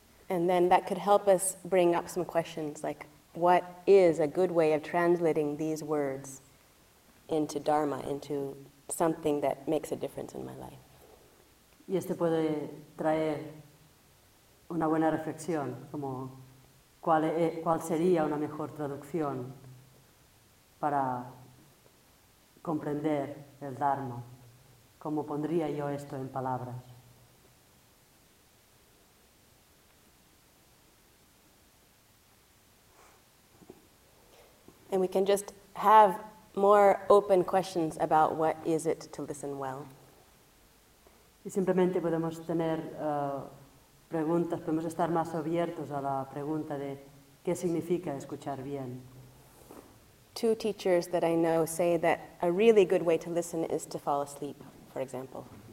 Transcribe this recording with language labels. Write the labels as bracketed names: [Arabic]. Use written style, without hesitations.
[English] And then that could help us bring up some questions like, what is a good way of translating these words into Dharma, into something that makes a difference in my life? [Spanish] Y esto puede traer una buena reflexión, como cuál sería una mejor traducción para comprender el Dharma. ¿Cómo pondría yo esto en palabras? [English] And we can just have more open questions about what is it to listen well. [Spanish] Y simplemente podemos tener preguntas, podemos estar más abiertos a la pregunta de qué significa escuchar bien. [English] Two teachers that I know say that a really good way to listen is to fall asleep, for example.